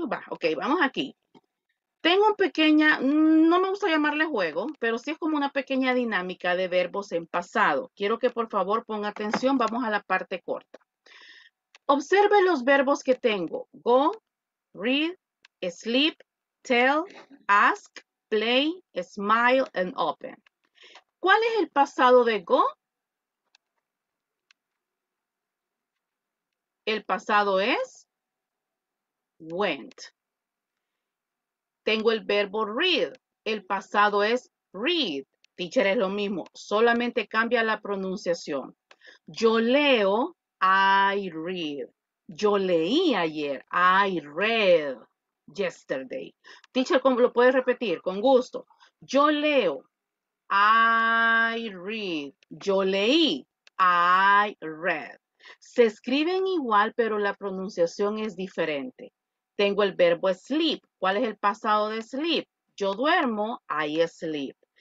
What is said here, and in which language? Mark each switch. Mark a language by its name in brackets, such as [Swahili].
[Spanish] Ok, vamos aquí. Tengo una pequeña, no me gusta llamarle juego, pero sí es como una pequeña dinámica de verbos en pasado. Quiero que por favor ponga atención, vamos a la parte corta. Observe los verbos que tengo. [English] Go, read, sleep, tell, ask, play, smile, and open. [Spanish] ¿Cuál es el pasado de go? El pasado es went. Tengo el verbo read. El pasado es read. Teacher, es lo mismo. Solamente cambia la pronunciación. Yo leo, [English] I read. [Spanish] Yo leí ayer, [English] I read yesterday. [Spanish] Teacher, ¿cómo lo puedes repetir? Con gusto. Yo leo, [English] I read. [Spanish] Yo leí, [English] I read. [Spanish] Se escriben igual, pero la pronunciación es diferente. Tengo el verbo sleep. ¿Cuál es el pasado de sleep? Yo duermo, [English] I sleep.